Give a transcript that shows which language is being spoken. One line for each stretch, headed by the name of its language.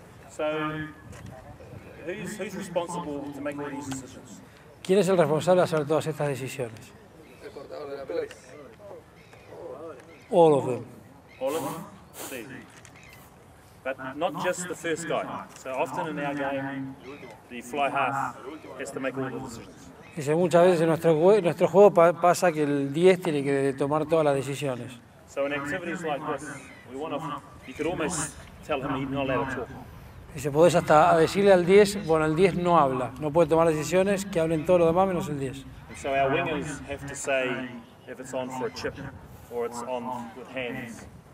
English: So, who's responsible to make all these decisions?
Spanish: ¿Quién es el responsable de hacer todas estas decisiones? El portador de la pelota.
English: All of them. All of them? See. But not just the first guy. So often in our game, the fly half has to make all the decisions.
Spanish: Dice, muchas veces en nuestro juego pasa que el 10 tiene que tomar todas las decisiones.
English: So in activities like this, we want to, you could almost tell him he's not allowed to talk.
Spanish: Dice, podés hasta decirle al 10, bueno, el 10 no habla, no puede tomar decisiones, que hablen todos los demás menos el 10.
English: And so our wingers have to say if it's on for a chip or it's on with hands.